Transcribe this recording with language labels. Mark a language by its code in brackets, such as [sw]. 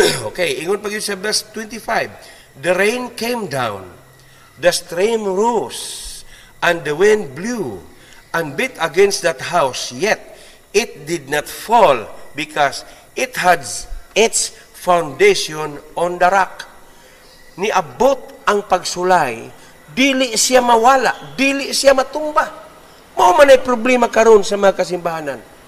[ceb] Okay, ingon pa yun sa verse 25. [en] The rain came down, the stream rose, and the wind blew and beat against that house, yet it did not fall because it has its foundation on the rock. [ceb] Niabot ang pagsulay, dili siya mawala, dili siya matumba. Mao man ay problema karon sa mga kasimbahanan.